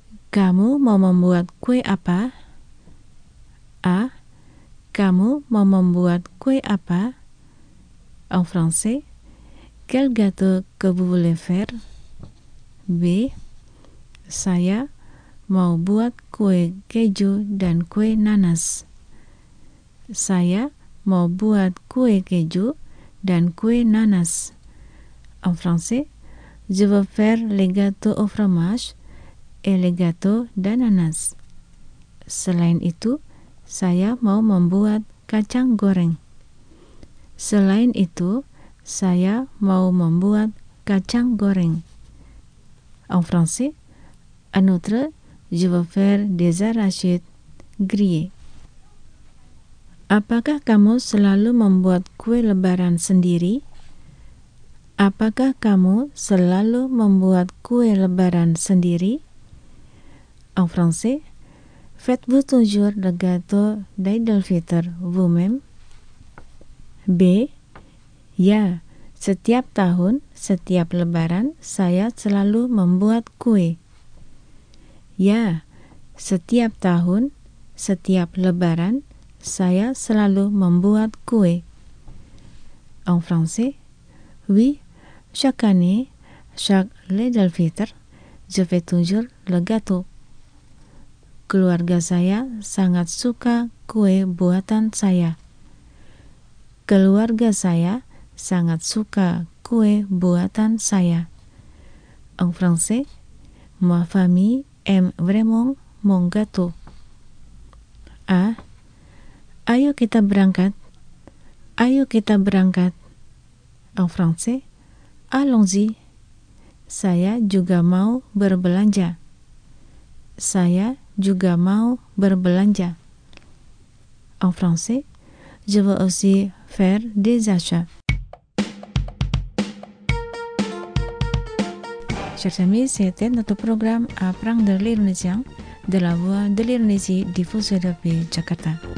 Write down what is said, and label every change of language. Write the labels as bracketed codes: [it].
[id] Kamu mau membuat kue apa? A. Kamu mau membuat kue apa? [fr] En français, quel gâteau que vous voulez faire? B. [id] Saya mau buat kue keju dan kue nanas. Saya mau buat kue keju dan kue nanas. [fr] En français, je veux faire les gâteaux au fromage et les gâteaux d'ananas. [id] Selain itu, saya mau membuat kacang goreng. Selain itu, saya mau membuat kacang goreng. [fr] En français, en outre, je veux faire des arachides grillées. [id] Apakah kamu selalu membuat kue lebaran sendiri? Apakah kamu selalu membuat kue lebaran sendiri? [fr] En français, faites-vous toujours le gâteau d'Eid al-Fitr vous-même? [id] B. Ya, setiap tahun, setiap lebaran, saya selalu membuat kue. Ya, setiap tahun, setiap lebaran, saya selalu membuat kue. [fr] En français, oui, chaque année, chaque Eid al-Fitr, je fais toujours le gâteau. [id] Keluarga saya sangat suka kue buatan saya. Keluarga saya sangat suka kue buatan saya. [fr] En français, ma famille aime vraiment mon gâteau. [id] A. Ayo kita berangkat. Ayo kita berangkat. [fr] En français, allons-y. [id] Saya juga mau berbelanja. Saya juga mau berbelanja. [fr] En français, je veux aussi faire des achats. Chers amis, c'était notre programme Apprendre l'Indonésien de la voix de l'Indonésie diffusée depuis Jakarta.